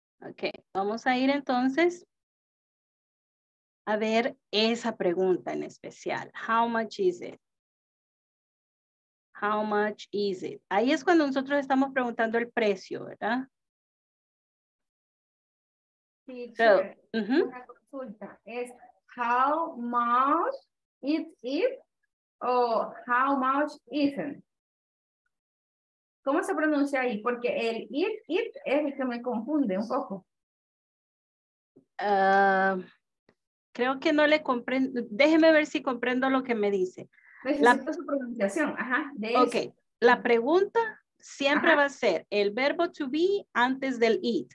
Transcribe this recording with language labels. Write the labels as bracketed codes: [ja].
[es] Okay, vamos a ir entonces a ver esa pregunta en especial. [en] How much is it? How much is it? [es] Ahí es cuando nosotros estamos preguntando el precio, ¿verdad? [en] Teacher, so, uh-huh. [es] Una consulta es, [en] how much it is or how much isn't? [es] ¿Cómo se pronuncia ahí? Porque el it es el que me confunde un poco. Creo que no le comprendo. Déjeme ver si comprendo lo que me dice. Necesito su pronunciación. Ajá. De ok. Eso. La pregunta siempre, ajá, va a ser el verbo to be antes del it.